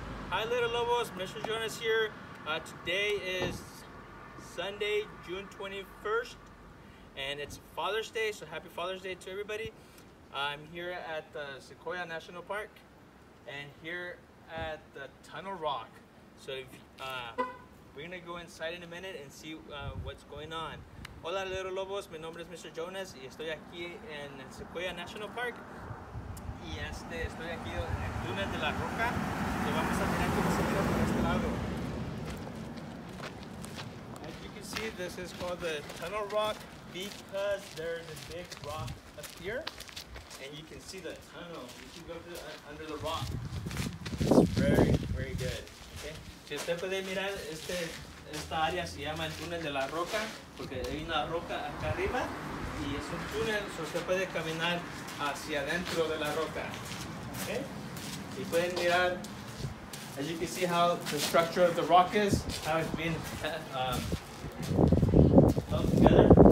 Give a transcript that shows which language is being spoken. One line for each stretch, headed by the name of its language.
English: Hi, little lobos, Mr. Jonas here. Today is Sunday, June 21st, and it's Father's Day, so happy Father's Day to everybody. I'm here at the Sequoia National Park and here at the Tunnel Rock. So if, we're going to go inside in a minute and see what's going on.
Spanish: Hola, little lobos. Mi nombre es Mr. Jonas y estoy aquí en Sequoia National Park. Y estoy aquí en el túnel de la roca. Y vamos a tener que salir por este lado.
English: As you can see, this is called the Tunnel Rock because there is a big rock up here. And you can see the tunnel. You can go through, under the rock. It's very, very good. Okay.
Spanish: Si usted puede mirar esta área se llama el túnel de la roca porque hay una roca acá arriba y es un túnel. So usted puede caminar hacia adentro de la roca. Okay. Y pueden mirar,
English: as you can see how the structure of the rock is, how it's been held together.